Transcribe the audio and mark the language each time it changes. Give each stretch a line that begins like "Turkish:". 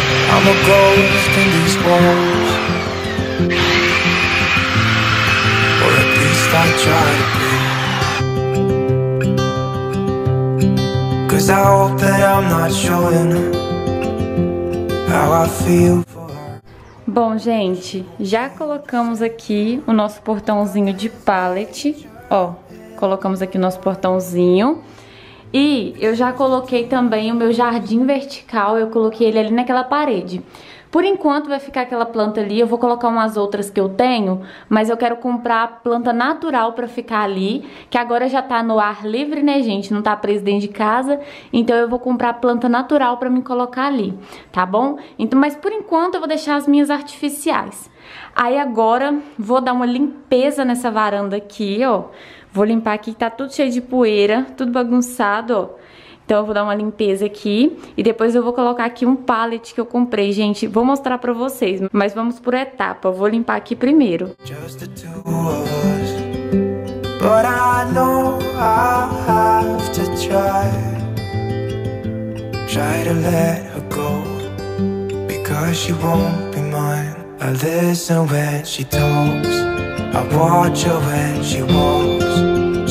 English: I'm a ghost in these walls. Or at least I try to be. Cause I hope that I'm not showing her how I feel.
Portuguese: Bom, gente, já colocamos aqui o nosso portãozinho de pallet, ó, colocamos aqui o nosso portãozinho, e eu já coloquei também o meu jardim vertical, eu coloquei ele ali naquela parede. Por enquanto vai ficar aquela planta ali, eu vou colocar umas outras que eu tenho, mas eu quero comprar planta natural pra ficar ali, que agora já tá no ar livre, né, gente? Não tá preso dentro de casa, então eu vou comprar planta natural pra me colocar ali, tá bom? Então, mas por enquanto eu vou deixar as minhas artificiais. Aí agora vou dar uma limpeza nessa varanda aqui, ó. Vou limpar aqui que tá tudo cheio de poeira, tudo bagunçado, ó. Então eu vou dar uma limpeza aqui e depois eu vou colocar aqui um pallet que eu comprei, gente. Vou mostrar pra vocês, mas vamos por etapa. Vou limpar aqui primeiro.
English: Just the two of us, but I know I have to try. try to let her go, because she won't be mine. I listen when she talks, I watch her when she walks.